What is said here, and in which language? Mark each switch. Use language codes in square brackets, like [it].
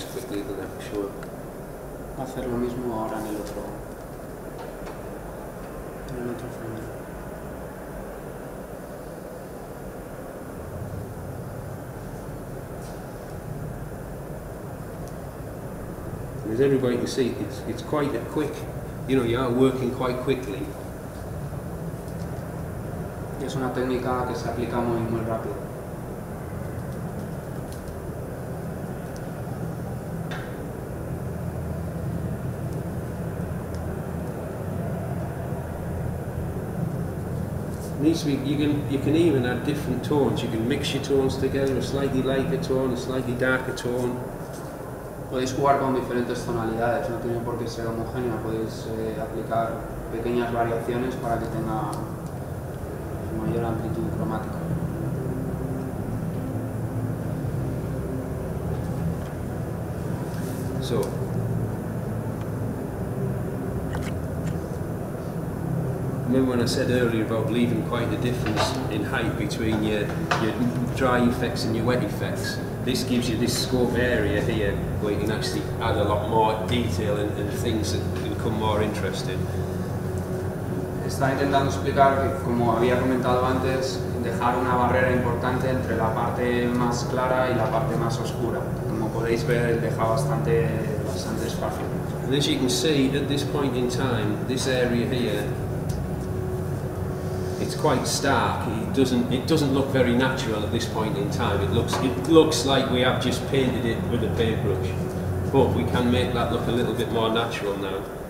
[es] Hacer lo mismo ahora en el otro frame. [en] And as everybody can see, it's quite a quick, you know, you are working quite quickly. [es] Y es una técnica que se aplica muy rápido. [en] Needs to be, you can even add different tones. You can mix your tones together, a slightly lighter tone, a slightly darker tone. [es] Podéis jugar con diferentes tonalidades, no tiene por qué ser homogénea. Podéis aplicar pequeñas variaciones para que tenga mayor amplitud cromática. [en] So. Remember when I said earlier about leaving quite a difference in height between your dry effects and your wet effects? This gives you this scope area here where you can actually add a lot more detail and things that can come more interesting. [es] Está intentando explicar que, como había comentado antes, dejar una barrera importante entre la parte más clara y la parte más oscura. Como podéis ver, deja bastante espacio. [en] And as you can see, at this point in time, this area here, it's quite stark. It doesn't look very natural at this point in time. It looks like we have just painted it with a paintbrush, but we can make that look a little bit more natural now.